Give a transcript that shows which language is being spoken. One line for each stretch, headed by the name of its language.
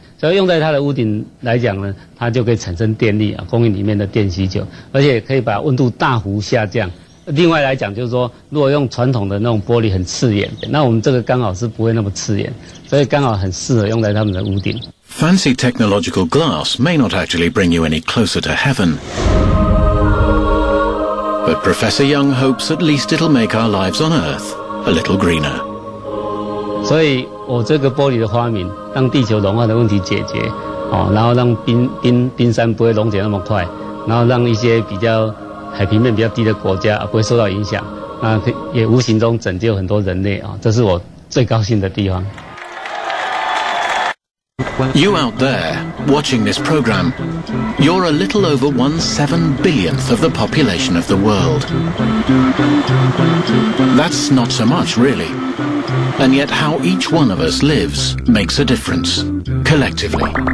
Chinese: 所以用在它的屋顶来讲呢，它就可以产生电力啊，供应里面的电需求，而且可以把温度大幅下降。另外来讲，就是说，如果用传统的那种玻璃很刺眼，那我们这个刚好是不会那么刺眼，所以刚好很适合用在他们的屋顶。
English: Fancy technological glass may not actually bring you any closer to heaven, but Professor Young hopes at least it'll make our lives on Earth a little greener.
Chinese: 所以我这个玻璃的发明，让地球融化的问题解决，哦，然后让冰山不会溶解那么快，然后让一些比较。海平面比较低的国家，啊，不会受到影响，那也无形中拯救很多人类啊，这是我最高兴的地方。
English: You out there watching this program, you're a little over 1/7 billionth of the population of the world. That's not so much, really. And yet, how each one of us lives makes a difference, collectively.